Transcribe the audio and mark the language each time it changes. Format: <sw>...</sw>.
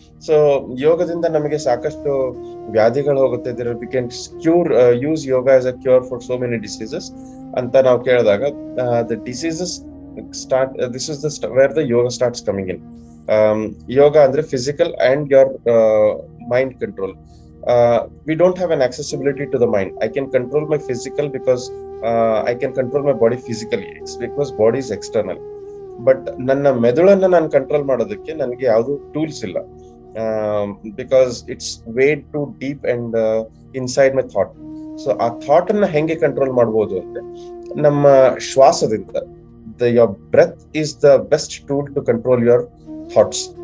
<kn>So ಯೋಗದಿಂದ ನಮಗೆ ಸಾಕಷ್ಟು ವ್ಯಾಧಿಗಳು ಹೋಗುತ್ತೆ.</kn> <en>we can cure use yoga as a cure for so many diseases</en> <kn>ಅಂತ ನಾವು ಕೇಳಿದಾಗ</kn> <en>The diseases start, this is the where the yoga starts coming in. Yoga ಅಂದ್ರೆ physical and your mind control. we don't have an accessibility to the mind. I can control my physical because I can control my body physically. It's because body is external. But</en> <kn>ನನ್ನ ಮೆದುಳನ್ನು ನಾನು control ಮಾಡೋದಕ್ಕೆ ನನಗೆ ಯಾವುದು tools ಇಲ್ಲ.</kn> <en>Because it's way too deep and inside my thought.</en> <kn>So ಆ thought ಅನ್ನ ಹೆಂಗೆ ಕಂಟ್ರೋಲ್ ಮಾಡಬಹುದು ಅಂದ್ರೆ ನಮ್ಮ ಶ್ವಾಸದಿಂದ.</kn> <en>Your breath is the best tool to control your thoughts.</en>